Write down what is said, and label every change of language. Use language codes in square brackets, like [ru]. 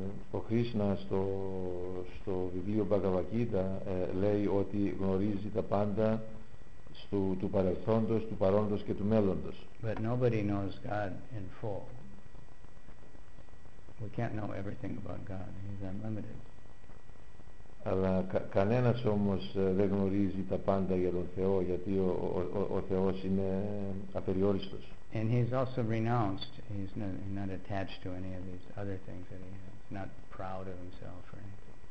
[el] Ο Κρίσνα στο βιβλίο Bhagavad Gita λέει ότι γνωρίζει τα πάντα του παρελθόντος, του παρόντος και του μέλλοντος. [en] But nobody knows God in full. We can't know everything about God. He's unlimited. [el] Αλλά κανένας όμως δεν γνωρίζει τα πάντα για τον Θεό, γιατί ο Θεός είναι απεριόριστος. [en] And he's also renounced. He's not attached to any of these other things that he has. Not proud of himself or anything.